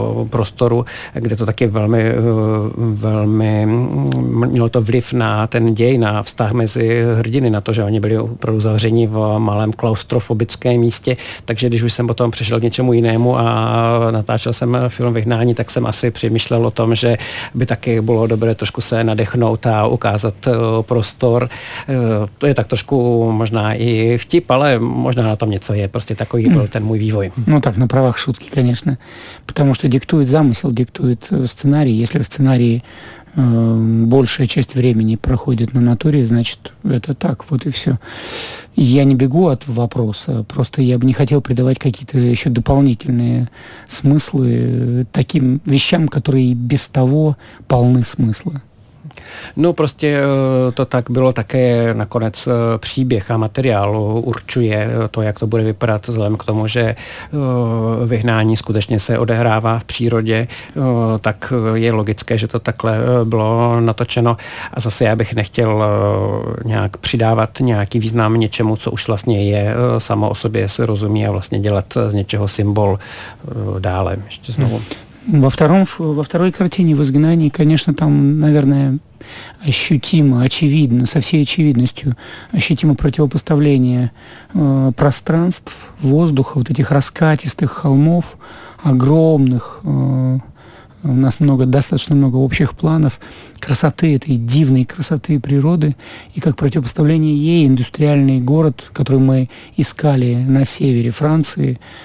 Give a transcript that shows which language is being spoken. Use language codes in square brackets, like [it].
[cs] prostoru, kde to taky velmi, velmi mělo to vliv na ten děj, na vztah mezi hrdiny, na to, že oni byli opravdu zavřeni v malém klaustrofobickém místě, takže když už jsem potom přešel k něčemu jinému a natáčel jsem film Vyhnání, tak jsem asi přemýšlel o tom, že by taky bylo dobré trošku se nadechnout a ukázat prostor. To je tak trošku možná i vtip, ale možná na tom něco je, prostě takový byl ten můj vývoj. No tak na pravách šutky, konečně. [ru] Потому что диктует замысел, диктует сценарий. Если в сценарии большая часть времени проходит на натуре, значит, это так, вот и все. Я не бегу от вопроса, просто я бы не хотел придавать какие-то еще дополнительные смыслы таким вещам, которые без того полны смысла. [cs] No prostě to tak bylo také nakonec příběh a materiál určuje to, jak to bude vypadat vzhledem k tomu, že Vyhnání skutečně se odehrává v přírodě, tak je logické, že to takhle bylo natočeno a zase já bych nechtěl nějak přidávat nějaký význam něčemu, co už vlastně je samo o sobě se rozumí a vlastně dělat z něčeho symbol dále ještě znovu. [ru] Во второй картине «В изгнании», конечно, там, наверное, ощутимо, очевидно, со всей очевидностью, ощутимо противопоставление пространств, воздуха, вот этих раскатистых холмов, огромных, у нас много, достаточно много общих планов, красоты, этой дивной красоты природы, и как противопоставление ей индустриальный город, который мы искали на севере Франции,